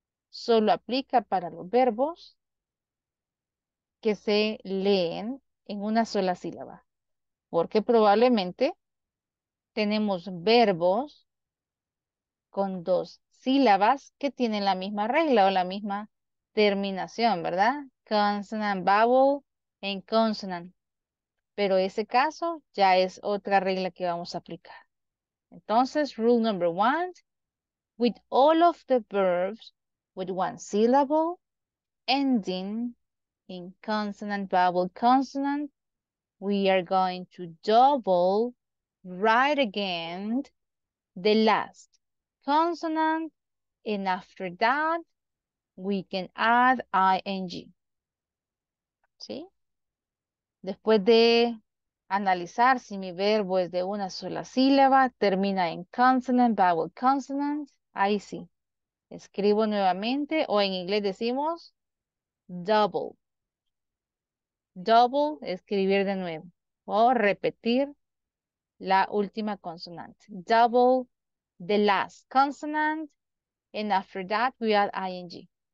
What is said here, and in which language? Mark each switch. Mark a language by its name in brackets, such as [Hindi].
[Spanish] Solo aplica para los verbos que se leen en una sola sílaba, porque probablemente tenemos verbos con dos sílabas que tienen la misma regla o la misma terminación, ¿verdad? [English] Consonant, vowel, and consonant. [Spanish] Pero ese caso ya es otra regla que vamos a aplicar. Entonces, [English] rule number one, with all of the verbs with one syllable ending in consonant, vowel, consonant, we are going to double write again the last consonant, and after that, we can add ing. [Spanish] ¿Sí? Después de analizar si mi verbo es de una sola sílaba, termina en [English] consonant, vowel, consonant, [Spanish] ahí sí, escribo nuevamente, o en inglés decimos [English] double. Double, [Spanish] escribir de nuevo o repetir la última consonante. [English] Double the last consonant and after that we add ing.